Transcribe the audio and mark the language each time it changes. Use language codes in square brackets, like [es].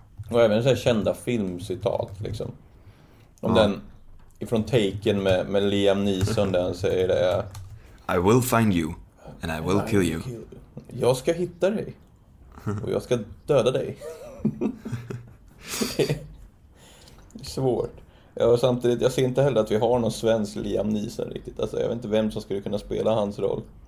[sv] Och även så här kända filmcitat liksom. Om ja. Den ifrån Taken med Liam Neeson där han säger det. [en] I will find you and I will kill you. [sv] Jag ska hitta dig och jag ska döda dig. Det är svårt. Och samtidigt, jag ser inte heller att vi har någon svensk Liam Neeson riktigt. Alltså, jag vet inte vem som skulle kunna spela hans roll.